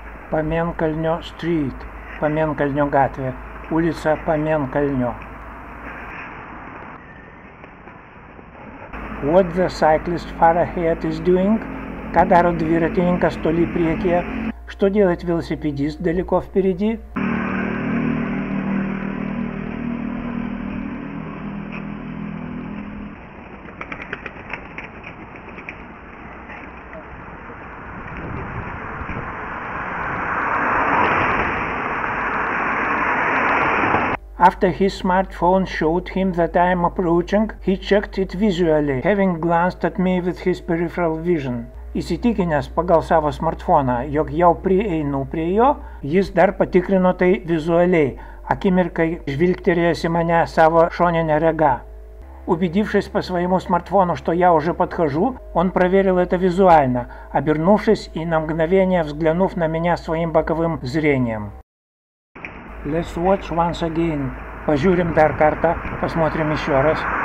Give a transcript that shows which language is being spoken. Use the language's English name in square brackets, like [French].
[English] Pamėnkalnio Street, Pamėnkalnio gatvė, ulica Pamėnkalnio. What the cyclist far ahead is doing? [Lithuanian] Ką daro dviratininkas toli priekyje? [Russian] Что делает велосипедист далеко впереди? [English] After his smartphone showed him that I am approaching, he checked it visually, having glanced at me with his peripheral vision. [Lithuanian] Įsitikinęs pagal savo smartfoną, jog jau prieinu prie jo, jis dar patikrino tai vizualiai, akimirkai žvilgterėjęs į mane savo šoninę regą. [Russian] Убедившись по своему смартфону, что я уже подхожу, он проверил это визуально, обернувшись и на мгновение взглянув на меня своим боковым зрением. [English] Let's watch once again. [Lithuanian] Пожурим дар карта, [Russian] посмотрим еще раз.